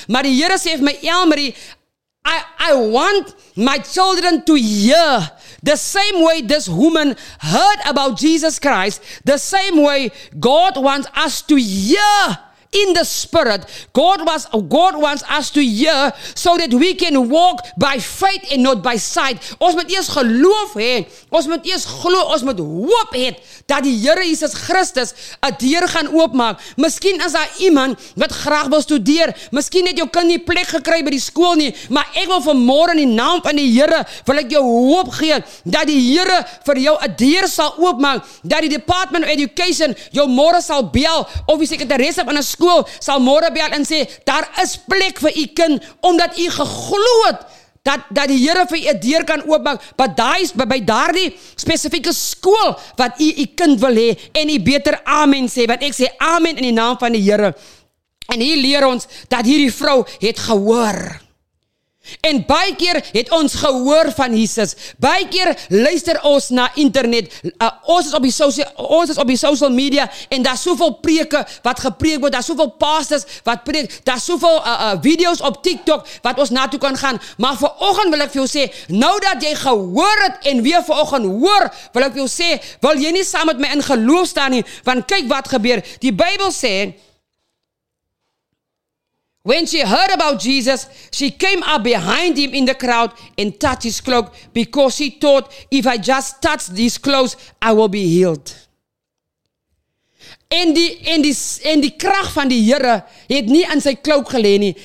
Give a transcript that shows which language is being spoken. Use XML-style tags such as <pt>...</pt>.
<af>Maar die Here sê vir my, Elmarie,</af> <en>I want my children to hear. The same way this woman heard about Jesus Christ, the same way God wants us to hear in the spirit. God wants us to hear so that we can walk by faith and not by sight.</en> <af>Ons moet eers geloof hê. Ons moet eers glo, ons moet hoop hê dat die Here Jesus Christus 'n deur gaan oopmaak. Miskien is daar iemand wat graag wil studeer. Miskien het jou kind nie plek gekry by die skool nie, maar ek wil vanmôre in die naam van die Here wil ek jou hoop gee dat die Here vir jou 'n deur sal oopmaak, dat die Department of Education jou môre sal bel of die sekretaresse van 'n skool sal môre bel en sê daar is plek vir u kind omdat u geglo het dat die Here vir u 'n deur kan oopmaak by daardie spesifieke skool wat u kind wil hê en u beter amen sê, want ek sê amen in die naam van die Here. En hier leer ons dat hierdie vrou het gehoor. En baie keer het ons gehoor van Jesus. Baie keer luister ons na internet. Ons is op die social media en daar is soveel preke wat gepreek word. Daar is soveel pastors wat preek. Daar is soveel video's op TikTok wat ons naartoe kan gaan. Maar vanoggend wil ek vir jou sê, nou dat jy gehoor het en weer vanoggend hoor, wil ek vir jou sê, wil jy nie saam met my in geloof staan nie? Want kyk wat gebeur. Die Bybel sê,</af> <en>when she heard about Jesus, she came up behind him in the crowd and touched his cloak because she thought, if I just touch these clothes, I will be healed.</en> <af>En die krag van die Here het nie aan sy cloak gelê nie.</af>